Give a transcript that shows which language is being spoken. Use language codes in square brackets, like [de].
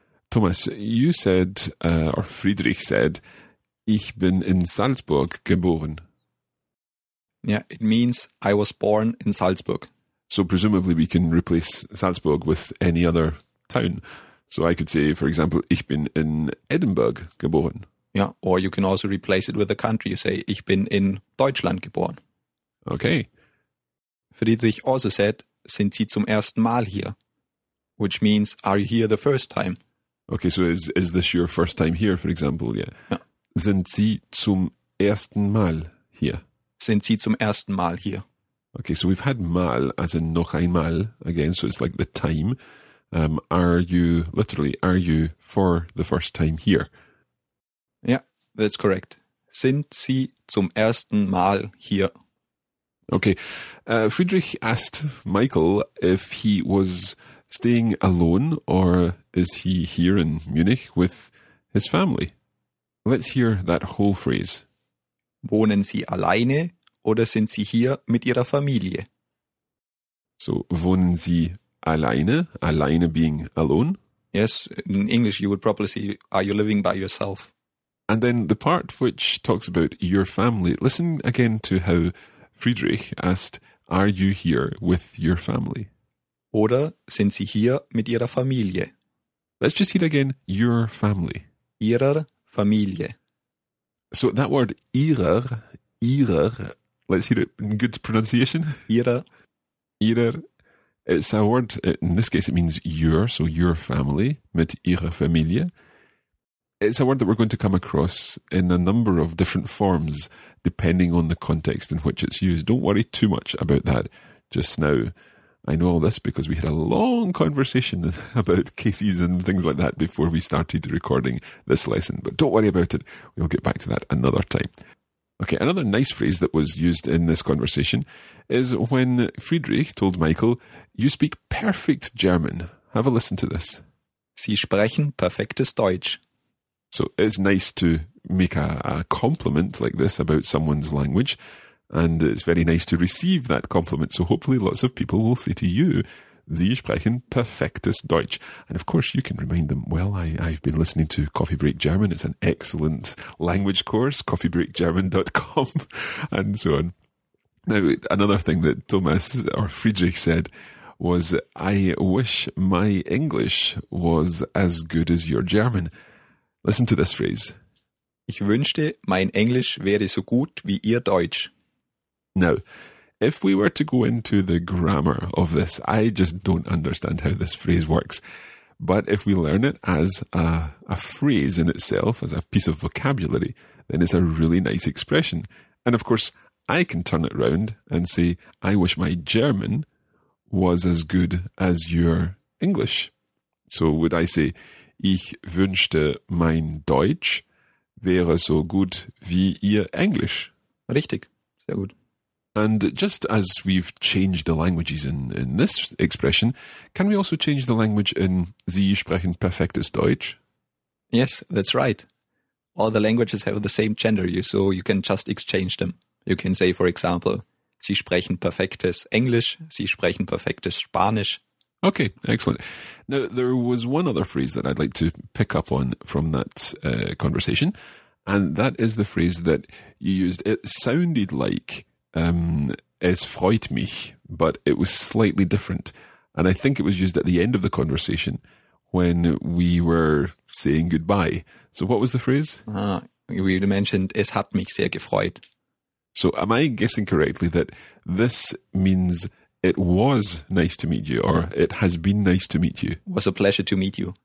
[en] Thomas, you said, or Friedrich said, [de] ich bin in Salzburg geboren. [en] Yeah, it means I was born in Salzburg. So presumably we can replace Salzburg with any other town. So I could say, for example, [de] ich bin in Edinburgh geboren. [en] Yeah, or you can also replace it with a country. You say, [de] ich bin in Deutschland geboren. [en] Okay. Friedrich also said, [de] sind Sie zum ersten Mal hier? [en] Which means, are you here the first time? Okay, so is this your first time here, for example? Yeah. [de] Sind Sie zum ersten Mal hier? Sind Sie zum ersten Mal hier? [en] Okay, so we've had mal as in [de] noch einmal [en] again, so it's like the time. Are you for the first time here? Yeah, that's correct. [de] Sind Sie zum ersten Mal hier? [en] Okay, Friedrich asked Michael if he was staying alone or is he here in Munich with his family. Let's hear that whole phrase. [de] Wohnen Sie alleine oder sind Sie hier mit Ihrer Familie? So, wohnen Sie alleine, alleine [en] being alone? Yes, in English you would probably say, are you living by yourself? And then the part which talks about your family, listen again to how Friedrich asked, are you here with your family? [de] Oder sind Sie hier mit Ihrer Familie? [en] Let's just hear again, your family. [de] Ihrer Familie. [en] So that word, Ihrer, let's hear it in good pronunciation. [de] Ihrer. [en] It's a word, in this case it means your, so your family, [de] mit Ihrer Familie. [en] It's a word that we're going to come across in a number of different forms, depending on the context in which it's used. Don't worry too much about that just now. I know all this because we had a long conversation about cases and things like that before we started recording this lesson. But don't worry about it. We'll get back to that another time. Okay, another nice phrase that was used in this conversation is when Friedrich told Michael, you speak perfect German. Have a listen to this. [de] Sie sprechen perfektes Deutsch. [en] So it's nice to make a compliment like this about someone's language, and it's very nice to receive that compliment. So hopefully lots of people will say to you, [de] Sie sprechen perfektes Deutsch. [en] And of course you can remind them, well, I've been listening to Coffee Break German. It's an excellent language course, coffeebreakgerman.com, and so on. Now, another thing that Thomas or Friedrich said was, I wish my English was as good as your German. Listen to this phrase. [de] Ich wünschte, mein Englisch wäre so gut wie Ihr Deutsch. [en] Now, if we were to go into the grammar of this, I just don't understand how this phrase works. But if we learn it as a phrase in itself, as a piece of vocabulary, then it's a really nice expression. And of course, I can turn it round and say, I wish my German was as good as your English. So would I say, [de] ich wünschte, mein Deutsch wäre so gut wie Ihr Englisch. Richtig, sehr gut. [en] And just as we've changed the languages in this expression, can we also change the language in [de] Sie sprechen perfektes Deutsch? [en] Yes, that's right. All the languages have the same gender, so you can just exchange them. You can say, for example, [de] Sie sprechen perfektes Englisch, Sie sprechen perfektes Spanisch. [en] Okay, excellent. Now, there was one other phrase that I'd like to pick up on from that conversation, and that is the phrase that you used. It sounded like, [de] es freut mich, [en] but it was slightly different. And I think it was used at the end of the conversation when we were saying goodbye. So what was the phrase? We mentioned, es hat mich sehr gefreut. So am I guessing correctly that this means it was nice to meet you, or it has been nice to meet you? It was a pleasure to meet you.